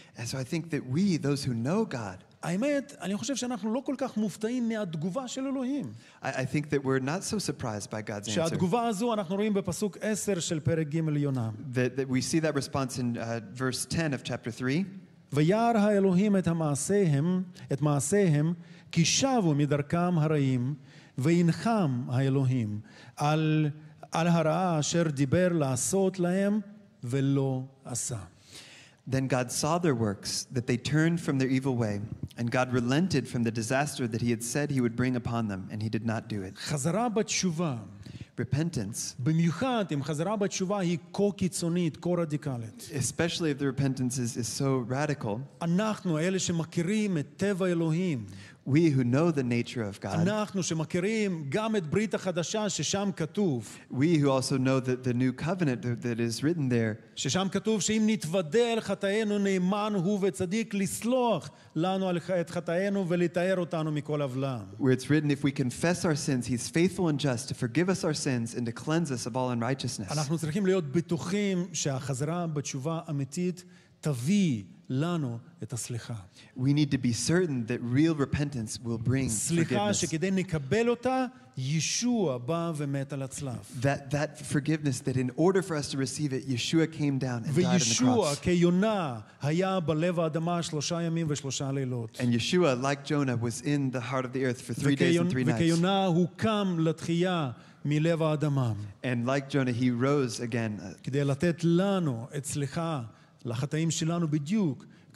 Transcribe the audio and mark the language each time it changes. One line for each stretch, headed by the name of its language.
English: And so I think that we, those who know God,
Hebrew: האמת, אני חושב שאנחנו לא כל כך מופתעים מהתגובה של אלוהים.
English: I think that we're not so surprised by God's answer.
Hebrew: שהתגובה הזו אנחנו רואים בפסוק 10 של פרק ג' יונה.
English: That we see that response in verse 10 of chapter 3.
Hebrew: וירא האלוהים את מעשיהם, כי שבו מדרכם הרעים, וינחם האלוהים על הרעה אשר דיבר לעשות להם ולא עשה.
English: Then God saw their works, that they turned from their evil way, and God relented from the disaster that he had said he would bring upon them, and he did not do it.
Hebrew: חזרה בתשובה.
English: Repentance.
Hebrew: במיוחד אם חזרה בתשובה היא כה קיצונית, כה רדיקלית.
English: Especially if the repentance is so radical.
Hebrew: אנחנו אלה שמכירים את טבע אלוהים.
English: We who know the nature of God.
Hebrew: אנחנו שמכירים גם את ברית החדשה ששם כתוב.
English: We who also know that the new covenant that is written there.
Hebrew: ששם כתוב שאם נתוודה אל חטאינו נאמן הוא וצדיק לסלוח לנו על חטאינו ולטהר אותנו מכל עוולה.
English: Where it's written, if we confess our sins, he's faithful and just to forgive us our sins and to cleanse us of all unrighteousness.
Hebrew: אנחנו צריכים להיות בטוחים שהחזרה בתשובה אמיתית תביא לנו את הסליחה.
English: We need to be certain that real repentance will bring forgiveness.
Hebrew: שכדי נקבל אותה, ישוע בא ומת על הצלב.
English: That forgiveness that in order for us to receive it, Yeshua came down and died on the cross.
Hebrew: וישוע כיונה היה בלב האדמה שלושה ימים ושלושה לילות.
English: And Yeshua, like Jonah, was in the heart of the earth for three days and three nights.
Hebrew: וכיונה הוא קם לתחייה מלב האדמה.
English: And like Jonah, he rose again.
Hebrew: כדי לתת לנו את סליחה לחטאים שלנו בדיוק.